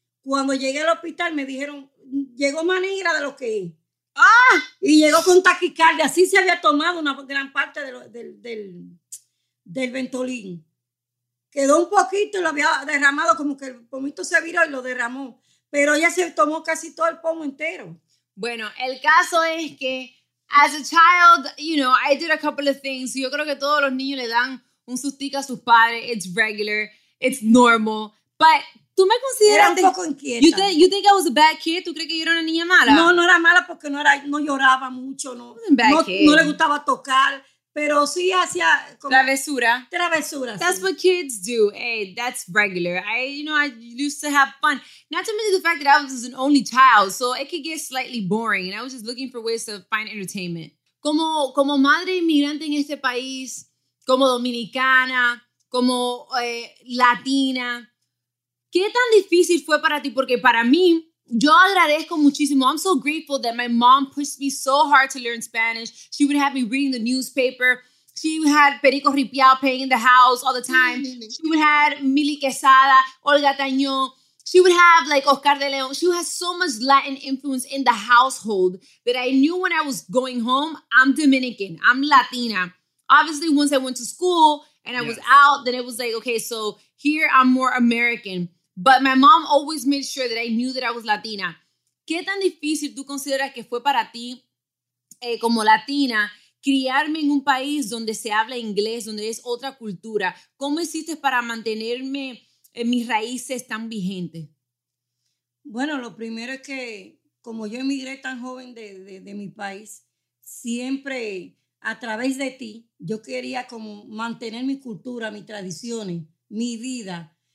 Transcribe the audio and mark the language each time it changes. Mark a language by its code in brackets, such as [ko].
[es] Cuando llegué al hospital me dijeron, llegó más negra de lo que es. ¡Ah! Y llegó con taquicardia. Así se había tomado una gran parte del Ventolin. Quedó un poquito y lo había derramado, como que el pomito se viró y lo derramó. Pero ya se tomó casi todo el pomo entero. Bueno, el caso es que, [en] as a child, you know, I did a couple of things. [es] Yo creo que todos los niños le dan un sustico a sus padres. [en] It's regular. It's normal. But [es] ¿Tú me consideras? Era un poco inquieta. [en] You think I was a bad kid? [es] ¿Tú crees que yo era una niña mala? No, no era mala porque no lloraba mucho. No, no le gustaba tocar. Pero sí hacía... Travesura. Travesura. [en] That's sí. What kids do. Hey, that's regular. I used to have fun. Not to mention the fact that I was an only child. So it could get slightly boring. And I was just looking for ways to find entertainment. [es] Como madre inmigrante en este país, como dominicana, como latina, ¿qué tan difícil fue para ti? Porque para mí, yo agradezco muchísimo. [en] I'm so grateful that my mom pushed me so hard to learn Spanish. She would have me reading the newspaper. She had Perico Ripiao playing in the house all the time. She would have Milly Quesada, Olga Tañón. She would have like Oscar de León. She has so much Latin influence in the household that I knew when I was going home, I'm Dominican. I'm Latina. Obviously, once I went to school and I was out, then it was like, okay, so here I'm more American. But my mom always made sure that I knew that I was Latina. [es] ¿Qué tan difícil tú consideras que fue para ti, como Latina, criarme en un país donde se habla inglés, donde es otra cultura? ¿Cómo hiciste para mantenerme en mis raíces tan vigentes? Bueno, lo primero es que, como yo emigré tan joven de mi país, siempre a través de ti, yo quería como mantener mi cultura, mis tradiciones, mi vida.